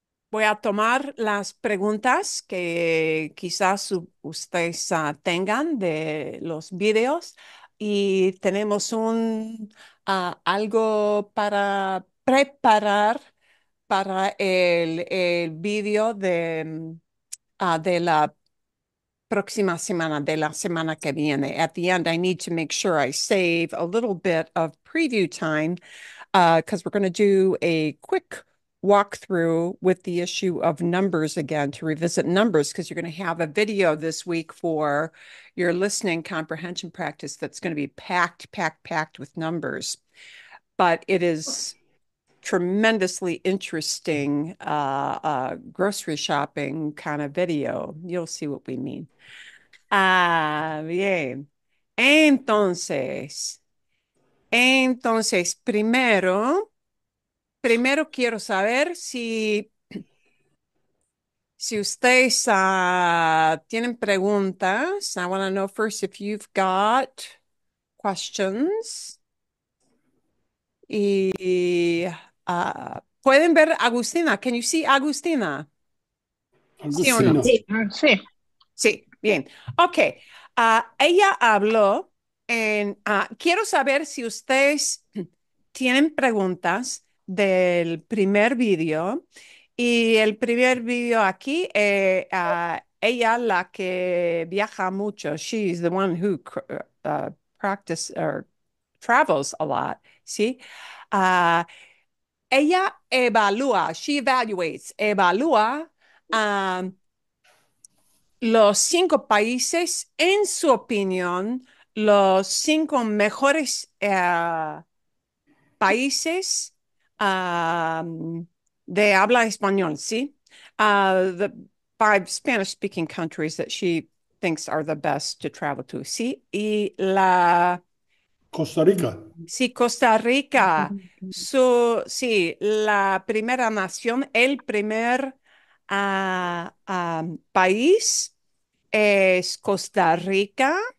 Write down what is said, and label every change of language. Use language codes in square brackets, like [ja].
[es] Voy a tomar las preguntas que quizás ustedes tengan de los videos y tenemos algo para preparar para el video de la próxima semana, de la semana que viene. [en] At the end, I need to make sure I save a little bit of preview time. Because we're going to do a quick walkthrough with the issue of numbers again to revisit numbers, because you're going to have a video this week for your listening comprehension practice that's going to be packed, packed, packed with numbers. But it is tremendously interesting, grocery shopping kind of video. You'll see what we mean. Bien. [es] Entonces, primero quiero saber si ustedes tienen preguntas. [en] I want to know first if you've got questions. [es] Y pueden ver Agustina. [en] Can you see Agustina? [es] ¿Sí o no? Sí. Sí. Sí, bien. Ok. Ella habló. Quiero saber si ustedes tienen preguntas del primer vídeo. Y el primer vídeo aquí, ella la que viaja mucho, [en] she's the one who practice or travels a lot, [es] ¿sí? Ella evalúa, [en] she evaluates, [es] evalúa los cinco países en su opinión. Los cinco mejores países de habla español, ¿sí? [en] The five Spanish-speaking countries that she thinks are the best to travel to, ¿sí? [es] Y la, Costa Rica. sí, Costa Rica, sí, la primera nación, el primer país es Costa Rica.